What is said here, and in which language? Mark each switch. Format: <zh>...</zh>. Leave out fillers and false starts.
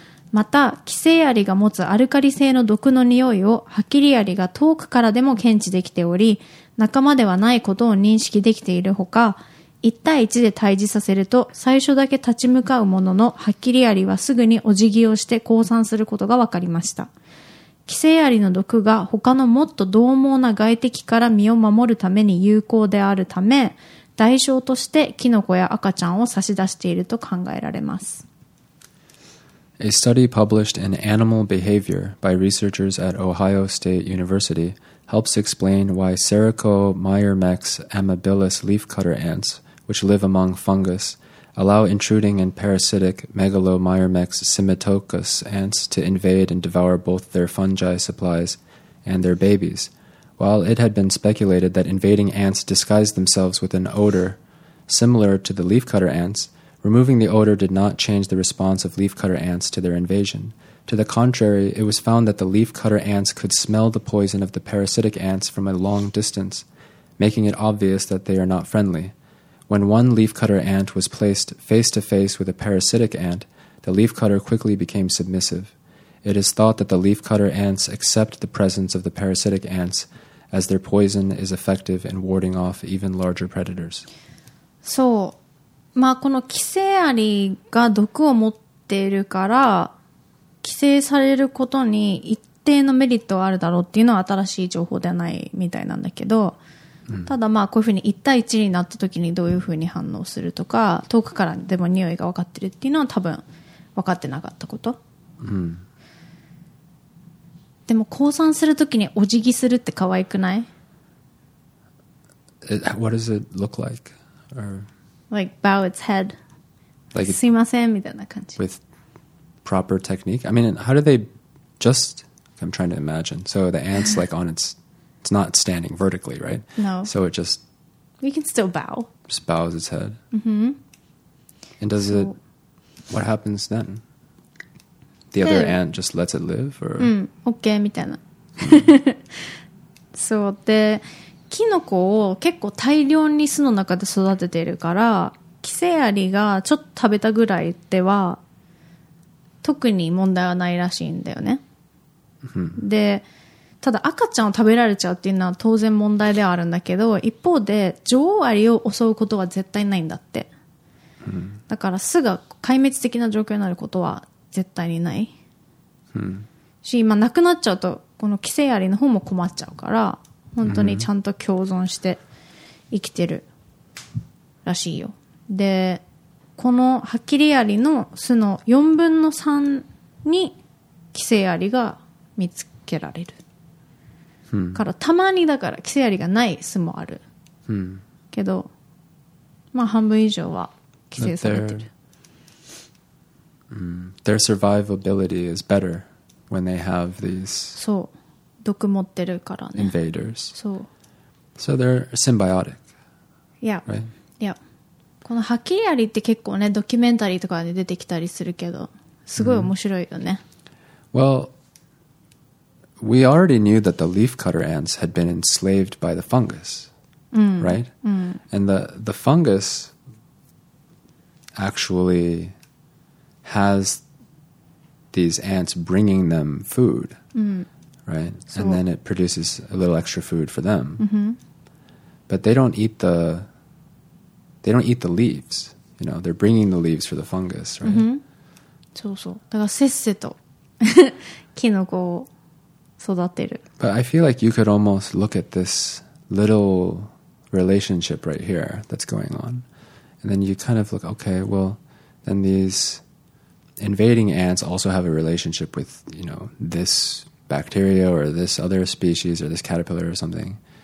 <ja>また寄生アリが持つアルカリ性の毒の匂いをハキリアリが遠くからでも検知できており、仲間ではないことを認識できているほか、1対1で対峙させると最初だけ立ち向かうものの、ハキリアリはすぐにお辞儀をして降参することが分かりました。寄生アリの毒が他のもっと獰猛な外敵から身を守るために有効であるため、代償としてキノコや赤ちゃんを差し出していると考えられます。</ja> <en>A study published in Animal Behavior by researchers at Ohio State University helps explain why Serico Myrmex amabilis leafcutter ants, which live among fungus, allow intruding and parasitic Megalomyrmex scimitocus ants to invade and devour both their fungi supplies and their babies. While it had been speculated that invading ants disguised themselves with an odor similar to the leafcutter ants, Removing the odor did not change the response of leafcutter ants to their invasion. To the contrary, it was found that the leafcutter ants could smell the poison of the parasitic ants from a long distance, making it obvious that they are not friendly. When one leafcutter ant was placed face to face with a parasitic ant, the leafcutter quickly became submissive. It is thought that the leafcutter ants accept the presence of the parasitic ants as their poison is effective in warding off even larger predators.</en> <ja>So, まあこの寄生アリが毒を持っているから寄生されることに一定のメリットがあるだろうっていうのは新しい情報ではないみたいなんだけど、ただまあこういうふうに1対1になった時にどういうふうに反応するとか、遠くからでも匂いが分かってるっていうのは多分分かってなかったこと。でも降参するときにお辞儀するって可愛くない？</ja> <en>What does it look like? Or... like bow its head. Like</en> <ja>すいませんみたいな感じ。</ja> <en>With proper technique. I mean, how do they just? I'm trying to imagine. So the ant's like on its, it's not standing vertically, right? No. So it just. We can still bow. Just bows its head. Mm-hmm. And does so... it? What happens then? The other ant just lets it live, or?</en> <ja>うん、OK みたいな。そうで、キノコを結構大量に巣の中で育てているから、寄生アリがちょっと食べたぐらいでは特に問題はないらしいんだよね。で、ただ赤ちゃんを食べられちゃうっていうのは当然問題ではあるんだけど、一方で女王アリを襲うことは絶対ないんだって。だから巣が壊滅的な状況になることは絶対にない。し、今なくなっちゃうとこの寄生アリの方も困っちゃうから、本当にちゃんと共存して生きてるらしいよ。で、このハキリアリの巣の4分の3に寄生アリが見つけられる。からたまにだから寄生アリがない巣もある。けど、まあ半分以上は寄生されてる。</ja> <en>Their survivability is better when they have these</en> <ja>そう、毒持ってるからね。</ja> <en>invaders.</en> <ja>そう。</ja> <en>So they're symbiotic. Yeah. Right? Yeah.</en> <ja>このハキリアリって結構ね、ドキュメンタリーとかで出てきたりするけど、すごい面白いよね。</ja> <en>Well, we already knew that the leafcutter ants had been enslaved by the fungus. Right? And the fungus actually... has these ants bringing them food, right? So, and then it produces a little extra food for them. But they don't eat the leaves, you know, they're bringing the leaves for the fungus, right?</en> <ja>Mm-hmm. そうそう。だからせっせとキノコを育てる。</ja> <en>But I feel like you could almost look at this little relationship right here that's going on. And then you kind of look, okay, well, then these... invading ants also have a relationship with, you know, this bacteria or this other species or this caterpillar or something.</en>